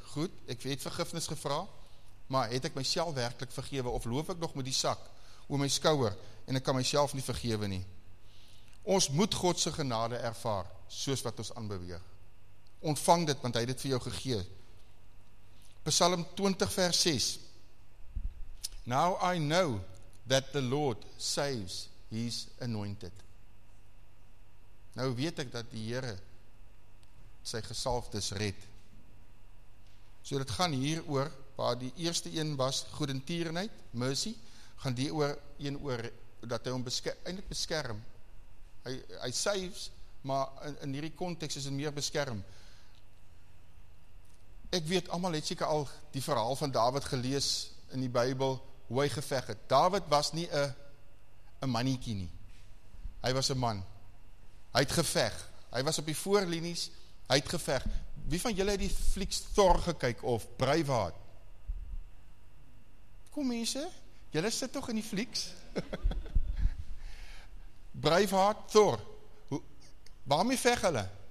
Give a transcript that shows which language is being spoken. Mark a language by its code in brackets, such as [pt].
[af] Goed, ek het vergifnis gevra, maar het ek myself werklik vergewe, of loof ek nog met die sak oor my skouer, en ek kan myself nie vergewe nie? Ons moet Godse genade ervaar, soos wat ons aanbeweeg. Ontvang dit, want hy het dit vir jou gegee. Psalm 20 vers 6. [en] Now I know that the Lord saves his anointed. [af] Nou weet ek dat die Here sy gesalfdes red. So dit gaan hier oor, waar die eerste een was, goedertierenheid, mercy, gaan die oor, een oor, dat hy hom beskerm. Hy saves, maar in hierdie context is hy meer beskerm. Ek weet, allemaal het seker al die verhaal van David gelees in die Bybel, hoe hy geveg het. David was nie een mannetjie nie. Hy was een man. Hy het geveg. Hy was op die voorlinies, hy het geveg. Wie van julle het die flieks Thor gekyk of Braveheart? Kom mense, julle sit toch in die flieks? Braveheart, Thor. Waarmee veg hulle?